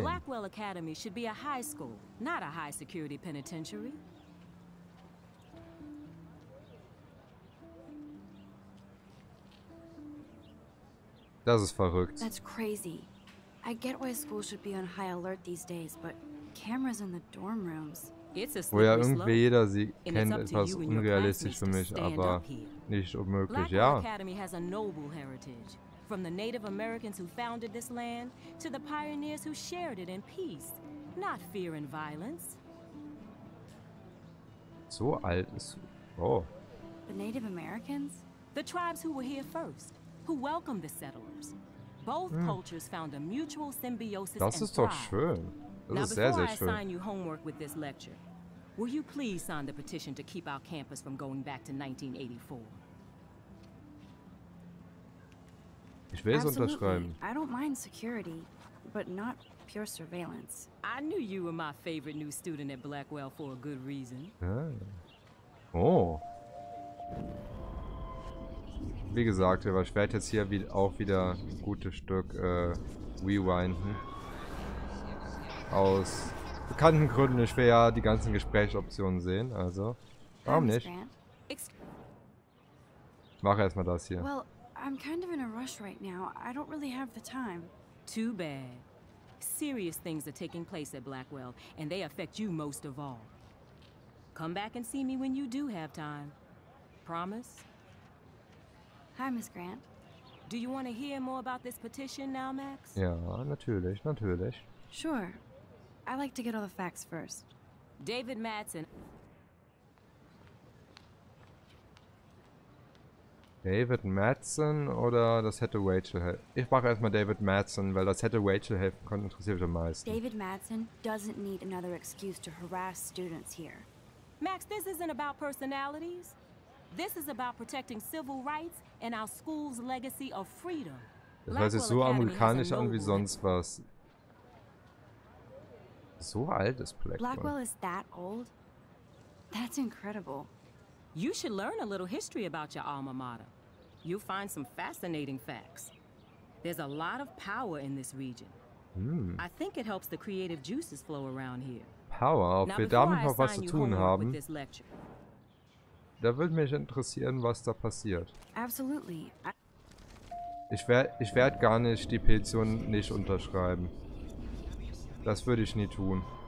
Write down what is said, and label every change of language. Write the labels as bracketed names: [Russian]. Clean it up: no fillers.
[English] Blackwell Academy should be a high school, not a high security penitentiary. [German] Das ist verrückt. [English] That's crazy. I get why schools should be on high alert these days, but cameras in the dorm rooms. [German] Wo ja irgendwie jeder sie kennt, etwas unrealistisch für mich, aber nicht unmöglich, ja. [English] Blackwell Academy has a noble heritage. From the Native Americans who founded this land to the pioneers who shared it in peace, not fear and violence. [German] So alt ist. Oh. [English] The Native Americans? The tribes who were here first, who welcomed the settlers. Both cultures found a mutual symbiosis. [German] Das ist doch schön. Das ist sehr, sehr schön. [English] I assign you homework with this lecture. Will you please sign the petition to keep our campus from going back to 1984? [German] Ich will es unterschreiben. [English] I don't mind security, but not pure surveillance. I knew you were my favorite new student at Blackwell for a good reason. Oh. [German] Wie gesagt, ich werde jetzt hier auch wieder ein gutes Stück rewinden. Aus bekannten Gründen, ich will ja die ganzen Gesprächsoptionen sehen, also warum nicht? Mach erstmal das hier. [English] Well, I'm kind of in a rush right now. I don't really have the time. Too bad. Serious things are taking place at Blackwell and they affect you most of all. Come back and see me when you do have time. Promise? Hi, Miss Grant. Do you want to hear more about this petition now, Max? [German] Ja, natürlich, natürlich. [English] Sure. I like to get all the facts first. David Mattson. [German] David Mattson oder das hätte Rachel helfen. Ich mache erstmal David Mattson, weil das hätte Rachel helfen können, interessiert mich am meisten. [English] David Mattson doesn't need another excuse to harass students here. Max, this isn't about personalities. This is about protecting civil rights and our school's legacy of freedom. [German] Das hört sich so amerikanisch an wie sonst was. So alt ist Blackwell. [English] Blackwell is that old? That's incredible. You should learn a little history about your alma mater. You'll find some fascinating facts. There's a lot of power in this region. I think it helps the creative juices flow around here. [German] Power, ob wir damit noch was zu tun haben. Da würde mich interessieren, was da passiert. [English] Absolutely. [German] Ich werde gar nicht die Petition nicht unterschreiben. Das würde ich nie tun.